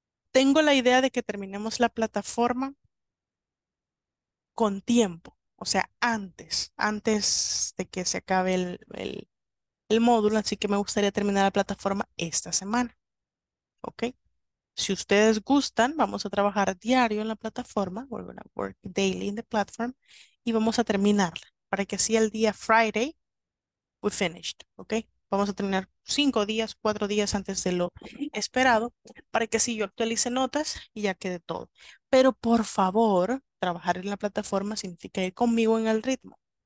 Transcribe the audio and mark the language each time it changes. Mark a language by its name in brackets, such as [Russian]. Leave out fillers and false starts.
[Spanish] Tengo la idea de que terminemos la plataforma con tiempo, o sea, antes de que se acabe el módulo, así que me gustaría terminar la plataforma esta semana. ¿Ok? Si ustedes gustan, vamos a trabajar diario en la plataforma. [English] We're going to work daily in the platform. [Spanish] Y vamos a terminarla para que así el día [English] Friday, we finished. [Spanish] ¿Ok? Vamos a terminar 5 días, 4 días antes de lo esperado para que así yo actualice notas y ya quede todo. Pero por favor, trabajar en la plataforma significa ir conmigo en el ritmo.